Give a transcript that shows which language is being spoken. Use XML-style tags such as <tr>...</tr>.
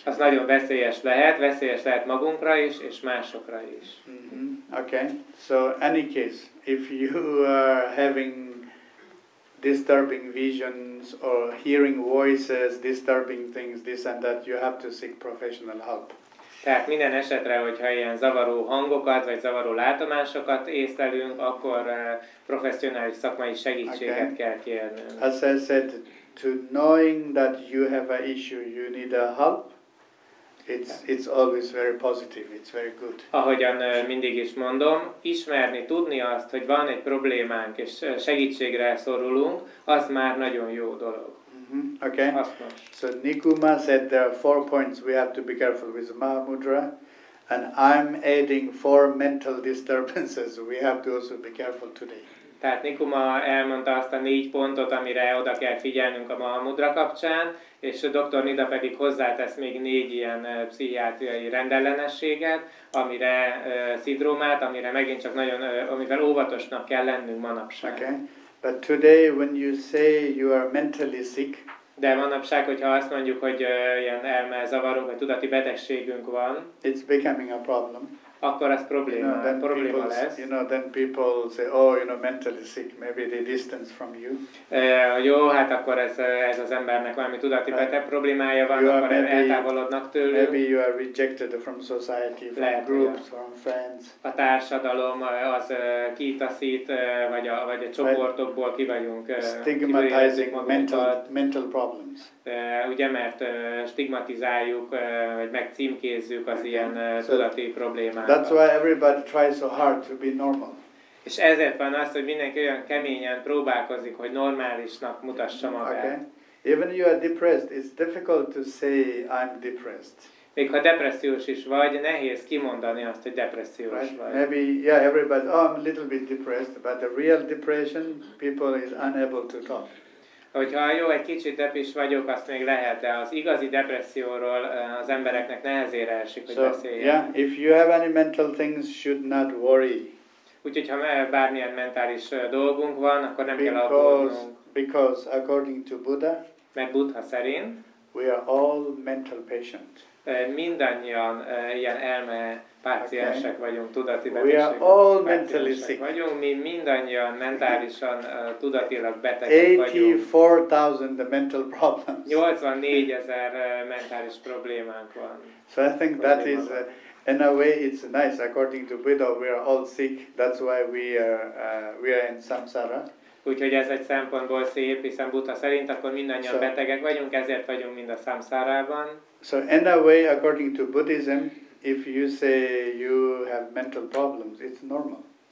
<hu>Az nagyon veszélyes lehet magunkra is és másokra is.</hu> <en>Mm-hmm. Okay. So any case, if you are having disturbing visions or hearing voices, disturbing things, this and that, you have to seek professional help.</en> <hu>Tehát minden esetre, hogyha ilyen zavaró hangokat vagy zavaró látomásokat észlelünk, akkor professzionális szakmai segítséget kell kérni.</hu> <en>As I said, to knowing that you have an issue, you need a help. It's always very positive. It's very good.</en> <hu>Ahogyan mindig is mondom, ismerni, tudni azt, hogy van egy problémánk és segítségre szorulunk, az már nagyon jó dolog.</hu> <en>Mm-hmm. Okay. So Nikuma said there are four points we have to be careful with Mahamudra, and I'm adding four mental disturbances we have to also be careful today.</en> <hu>Tehát Nikuma elmondta azt a négy pontot, amire oda kell figyelnünk a Mahamudra kapcsán, és Dr. Nida pedig hozzátesz még négy ilyen pszichiátriai rendellenességet, amire szindrómát, amire megint csak nagyon, amivel óvatosnak kell lennünk manapság.</hu> <en>Okay. But today when you say you are mentally sick,</en> <hu>de manapság, hogyha azt mondjuk, hogy ilyen elmezavarunk, vagy tudati betegségünk van,</hu> <en>it's becoming a problem.</en> <hu>Akkor az probléma,</hu> <en>you know,</en> <hu>probléma lesz.</hu> <en>You know, then people say, oh, you know, mentally sick, maybe they distance from you.</en> <hu>Jó, hát akkor ez az embernek valami tudati beteg problémája van, you akkor maybe, eltávolodnak tőlünk.</hu> <en>Maybe you are rejected from society, from</en> <hu>lehet,</hu> <en>groups, yeah. From friends.</en> <hu>A társadalom az kitaszít, vagy a csoportokból kivagyunk.</hu> <en>Stigmatizing mental problems.</en> <hu>Ugye, mert stigmatizáljuk, vagy megcímkézzük az ilyen tudati problémákat.</hu> <en>That's why everybody tries so hard to be normal.</en> <hu>És ezért van az, hogy mindenki olyan keményen próbálkozik, hogy normálisnak mutassa magát.</hu> <en>Okay. Even you are depressed, it's difficult to say I'm depressed.</en> <hu>Még ha depressziós is vagy, nehéz kimondani azt, hogy depressziós</hu> <en>right?</en> <hu>vagy.</hu> <en>Maybe, yeah, everybody, oh, I'm a little bit depressed, but the real depression, people is unable to talk.</en> <hu>Hogyha jó, egy kicsit depis vagyok, azt még lehet, de az igazi depresszióról az embereknek nehezére esik, hogy beszéljen.</hu> <en>Yeah, if you have any mental things, should not worry.</en> <hu>Úgyhogy, ha bármilyen mentális dolgunk van, akkor nem</hu> <en>because,</en> <hu>kell aggódnunk.</hu> <en>Because according to Buddha,</en> <hu>mert Buddha szerint,</hu> <en>we are all mental patients.</en> <hu>Mindannyian ilyen elme páciensek okay. vagyunk, tudati betegségek. We are all mentally sick. Vagyunk, mi mindannyian mentálisan, tudatilag betegek 84, vagyunk.</hu> <en>84,000 the mental problems.</en> <hu>84,000 mentális problémánk van.</hu> <en>So I think that is, in a way it's nice, according to Buddha, we are all sick, that's why we are in samsara.</en> <hu>Úgyhogy ez egy szempontból szép, hiszen Buddha szerint akkor mindannyian so, betegek vagyunk, ezért vagyunk mind a samsárában.</hu> <en>So in a way, according to Buddhism, if you say you have mental problems, it's normal.</en>